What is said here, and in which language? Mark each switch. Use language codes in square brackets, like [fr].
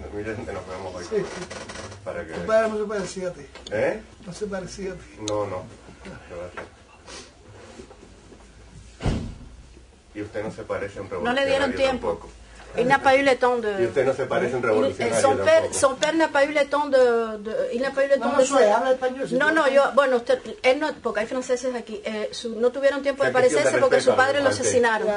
[es] Miren, nos vemos hoy. Sí. ¿Para tu padre no se parecía a ti? ¿Eh? No se parecía a ti. No. Y usted no se parece a un revolucionario. No le dieron tiempo. Tampoco. [fr] Il n'a pas eu le temps de. [es] Y usted no se parece a un revolucionario. [fr] Son père n'a pas eu le temps de. Il n'a pas eu le temps [es] no, [fr] de. [es] No, habla español. No, yo. Bueno, usted. Él no. Porque hay franceses aquí. No tuvieron tiempo de parecerse porque su padre lo asesinaron.